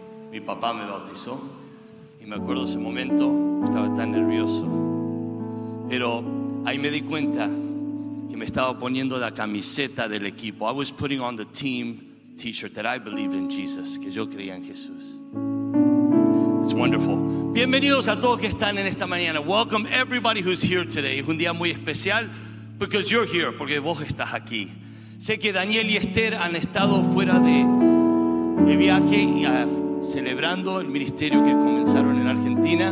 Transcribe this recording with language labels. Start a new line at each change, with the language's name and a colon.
Spanish: Mi papá me bautizó y me acuerdo ese momento, estaba tan nervioso. Pero ahí me di cuenta que me estaba poniendo la camiseta del equipo.
English: I was putting on the team t-shirt that I believed in Jesus,
Spanish: que yo creía en Jesús.
English: It's wonderful.
Spanish: Bienvenidos a todos que están en esta mañana.
English: Welcome everybody who's here today.
Spanish: Es un día muy especial
English: because you're here,
Spanish: porque vos estás aquí. Sé que Daniel y Esther han estado fuera de viaje y celebrando el ministerio que comenzaron en Argentina.